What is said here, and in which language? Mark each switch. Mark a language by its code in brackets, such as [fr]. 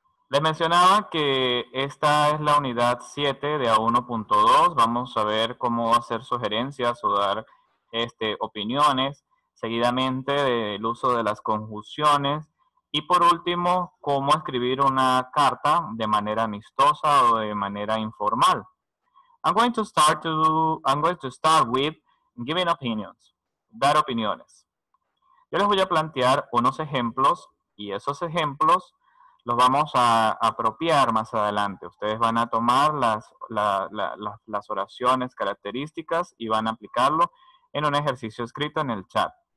[es] Le mencionaba que esta es la unidad 7 de A1.2. Vamos a ver cómo hacer sugerencias o dar opiniones, seguidamente el uso de las conjunciones y por último, cómo escribir una carta de manera amistosa o de manera informal. [en] I'm going to start with giving opinions, [es] dar opiniones. Yo les voy a plantear unos ejemplos y esos ejemplos los vamos a apropiar más adelante. Ustedes van a tomar las oraciones características y van a aplicarlo en un ejercicio escrito en el chat.